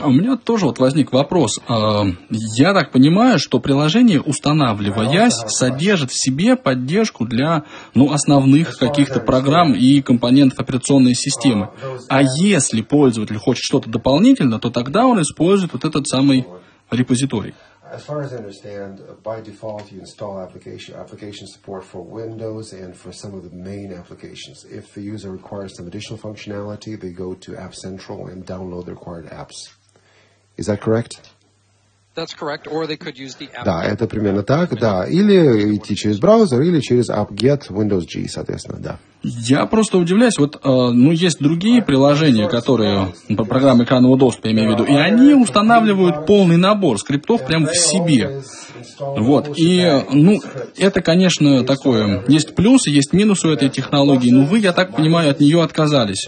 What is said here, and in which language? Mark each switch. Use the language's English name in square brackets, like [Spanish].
[Russian] А у меня тоже вот возник вопрос. Я так понимаю, что приложение, устанавливаясь, содержит в себе поддержку для, ну, основных каких-то программ и компонентов операционной системы. А если пользователь хочет что-то дополнительно, то тогда он использует вот этот самый репозиторий. [English] As far as I understand, by default you install application support for Windows and for some of the main applications. If the user requires some additional functionality, they go to App Central and download the required apps. Is that correct? That's correct, or they could use the app. [Russian] Да, это примерно так, да. Или идти через браузер, или через apt-get Windows G, соответственно, да. Я просто удивляюсь, вот, ну, есть другие приложения, которые, программы экранного доступа, я имею в виду, и они устанавливают полный набор скриптов прямо в себе. Вот, и, ну, это, конечно, такое, есть плюсы, есть минусы у этой технологии, но вы, я так понимаю, от нее отказались.